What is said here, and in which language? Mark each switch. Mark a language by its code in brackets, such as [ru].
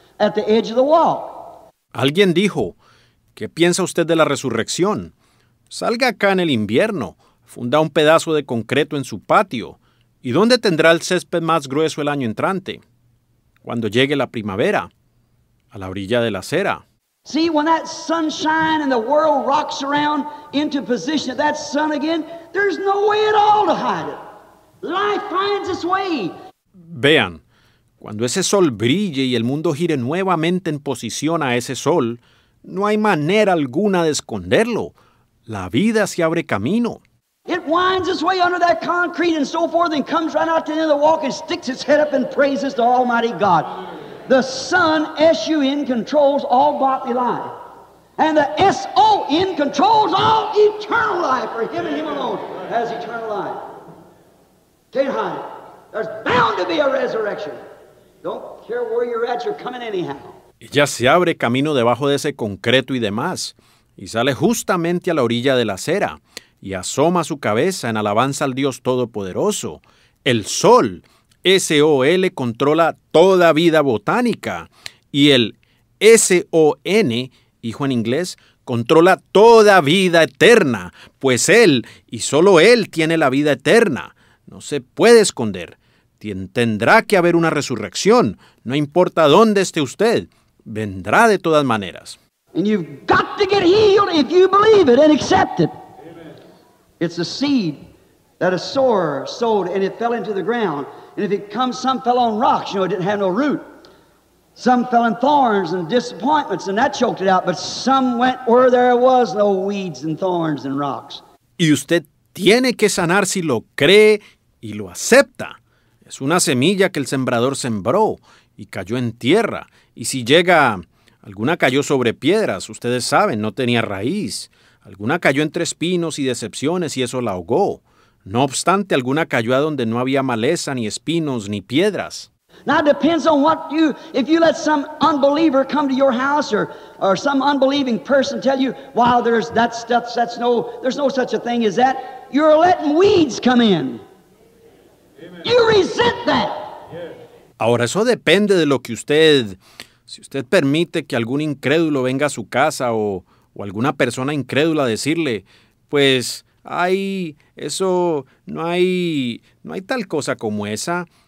[en] At the edge of the wall. [es] Alguien dijo, ¿qué piensa usted de la resurrección? Salga acá en el invierno, funda un pedazo de concreto en su patio, ¿y dónde tendrá el césped más grueso el año entrante? Cuando llegue la primavera, a la orilla de la acera. [en] See, when that sunshine and the world rocks around into position of that sun again, there's no way at all to hide it. Life finds its way. [es] Vean, cuando ese sol brille y el mundo gire nuevamente en posición a ese sol, no hay manera alguna de esconderlo. La vida se abre camino. [en] It winds its way under that concrete and so forth and comes right out to the end of the walk and sticks its head up and praises to Almighty God. The sun, S-U-N, controls all bodily life. And the S-O-N controls all eternal life, for him and him alone has eternal life. Can't hide it. There's bound to be a resurrection. Don't care where you're at, you're coming anyhow. [es] Ella se abre camino debajo de ese concreto y demás, y sale justamente a la orilla de la acera, y asoma su cabeza en alabanza al Dios Todopoderoso, el sol. S-O-L controla toda vida botánica y el S-O-N, hijo en inglés, controla toda vida eterna, pues él y solo él tiene la vida eterna. No se puede esconder. Tendrá que haber una resurrección. No importa dónde esté usted, vendrá de todas maneras. [en] And you've got to get healed if you believe it and accept it. Amen. It's a seed that a sower sowed and it fell into the ground. And if it comes, some fell on rocks, you know, it didn't have no root. Some fell in thorns and disappointments, and that choked it out. But some went where there was no weeds and thorns and rocks. [es] Y usted tiene que sanar si lo cree y lo acepta. Es una semilla que el sembrador sembró y cayó en tierra. Y si llega, alguna cayó sobre piedras, ustedes saben, no tenía raíz. Alguna cayó entre espinos y decepciones y eso la ahogó. No obstante, alguna cayó a donde no había maleza, ni espinos, ni piedras. [en] Now it depends on what you, if you let some unbeliever come to your house or some unbelieving person tell you, wow, there's no such a thing as that. You're letting weeds come in. Amen. You resent that. Yeah. [es] Ahora, eso depende de lo que usted, si usted permite que algún incrédulo venga a su casa o alguna persona incrédula decirle, pues, ay, eso, no hay tal cosa como esa.